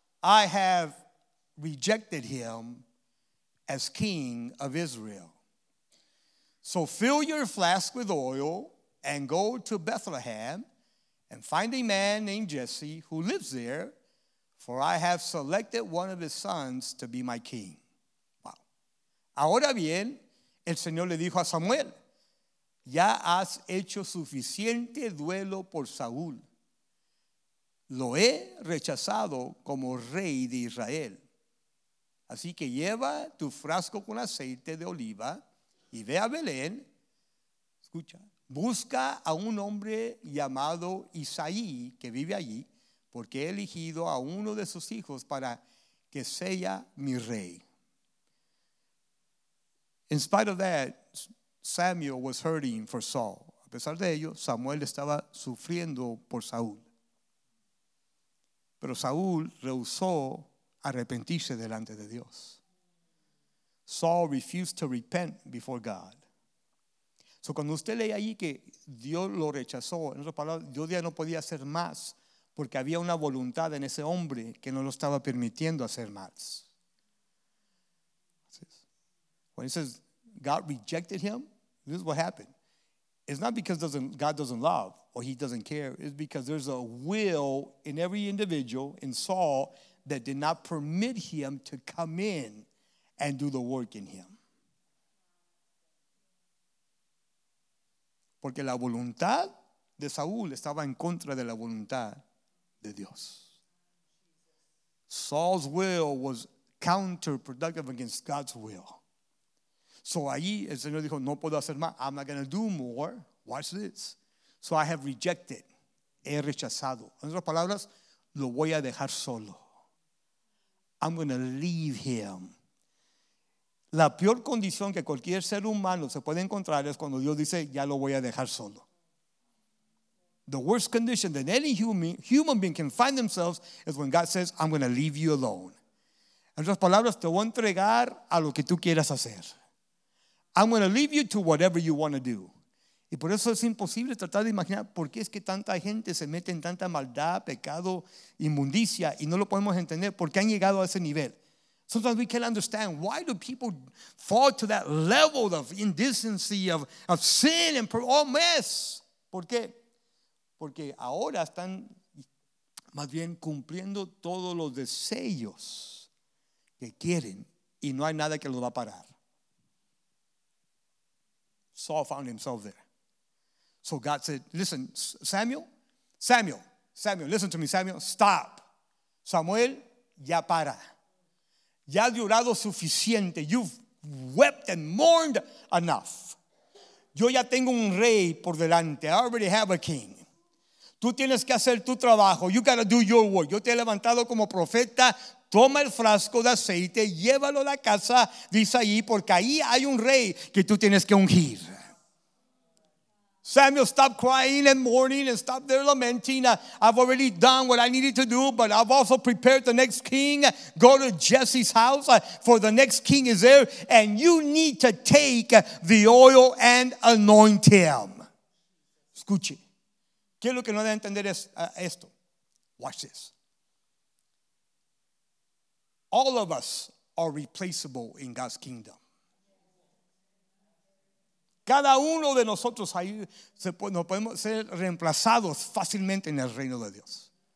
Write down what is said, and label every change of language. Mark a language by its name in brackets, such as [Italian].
[English] I have rejected him as king of Israel. So fill your flask with oil and go to Bethlehem and find a man named Jesse who lives there, for I have selected one of his sons to be my king. Wow. [Spanish] Ahora bien, el Señor le dijo a Samuel, ya has hecho suficiente duelo por Saúl. lo he rechazado como rey de Israel. Así que lleva tu frasco con aceite de oliva y ve a Belén. Escucha, busca a un hombre llamado Isaí que vive allí, porque he elegido a uno de sus hijos para que sea mi rey. [English] In spite of that, Samuel was hurting for Saul. [Spanish] A pesar de ello, Samuel estaba sufriendo por Saúl. Pero Saúl rehusó arrepentirse delante de Dios. [English] Saul refused to repent before God. [Spanish] So cuando usted lee ahí que Dios lo rechazó, en otras palabras, Dios ya no podía hacer más porque había una voluntad en ese hombre que no lo estaba permitiendo hacer más. [English] When it says God rejected him, this is what happened. It's not because God doesn't love or he doesn't care. It's because there's a will in every individual, in Saul, that did not permit him to come in and do the work in him. [Spanish] Porque la voluntad de Saúl estaba en contra de la voluntad de Dios. [English] Saul's will was counterproductive against God's will. [Spanish] So ahí el Señor dijo, no puedo hacer más. [English] I'm not going to do more. Watch this. So I have rejected. [Spanish] He rechazado. En otras palabras, lo voy a dejar solo. [English] I'm going to leave him. [Spanish] La peor condición que cualquier ser humano se puede encontrar es cuando Dios dice, ya lo voy a dejar solo. [English] The worst condition that any human being can find themselves is when God says, I'm going to leave you alone. [Spanish] En otras palabras, te voy a entregar a lo que tú quieras hacer. [English] I'm going to leave you to whatever you want to do. [Spanish] Y por eso es imposible tratar de imaginar por qué es que tanta gente se mete en tanta maldad, pecado, inmundicia, y no lo podemos entender por qué han llegado a ese nivel. [English] Sometimes we can't understand why do people fall to that level of indecency, of sin and all mess. [Spanish] ¿Por qué? Porque ahora están más bien cumpliendo todos los deseos que quieren y no hay nada que los va a parar. [English] Saul found himself there. So God said, listen, Samuel, listen to me, Samuel, stop. [Spanish] Samuel, ya para. Ya has llorado suficiente. [English] You've wept and mourned enough. [Spanish] Yo ya tengo un rey por delante. [English] I already have a king. [Spanish] Tú tienes que hacer tu trabajo. [English] You gotta do your work. [Spanish] Yo te he levantado como profeta. Toma el frasco de aceite, llévalo a la casa de Isaí, porque ahí hay un rey que tú tienes que ungir. [English] Samuel, stop crying and mourning and stop there lamenting. I've already done what I needed to do, but I've also prepared the next king. Go to Jesse's house, for the next king is there, and you need to take the oil and anoint him. [Spanish] Escuche. ¿Qué es lo que no debe entender es esto? [English] Watch this. All of us are replaceable in God's kingdom. [Spanish] Cada uno de nosotros ahí nos podemos ser reemplazados fácilmente en el reino de Dios.